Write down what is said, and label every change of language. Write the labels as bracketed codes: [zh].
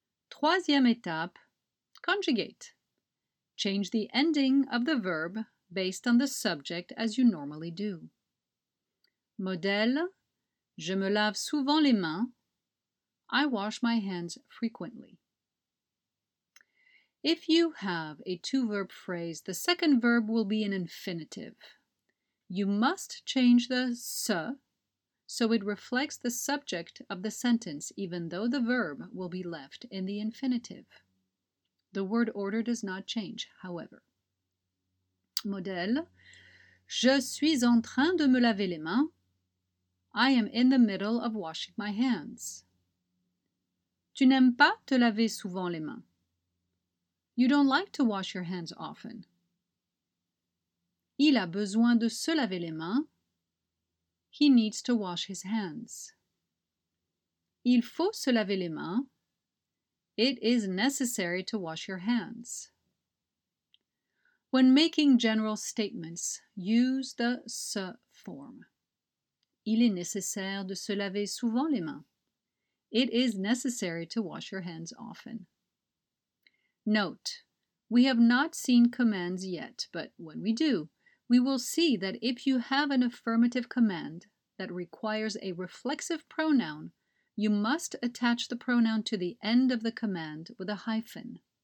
[fr] Troisième étape, [en] conjugate. Change the ending of the verb based on the subject as you normally do. [fr] Modèle, je me lave souvent les mains. [en] I wash my hands frequently. If you have a two-verb phrase, the second verb will be an infinitive. You must change the se so it reflects the subject of the sentence, even though the verb will be left in the infinitive. The word order does not change, however. [fr] Modèle, je suis en train de me laver les mains. [en] I am in the middle of washing my hands. [fr] Tu n'aimes pas te laver souvent les mains. [en] You don't like to wash your hands often. [fr] Il a besoin de se laver les mains. [en] He needs to wash his hands. [fr] Il faut se laver les mains. [en] It is necessary to wash your hands. When making general statements, use the se form. [fr] Il est nécessaire de se laver souvent les mains. [en] It is necessary to wash your hands often. Note, we have not seen commands yet, but when we do, we will see that if you have an affirmative command that requires a reflexive pronoun, you must attach the pronoun to the end of the command with a hyphen.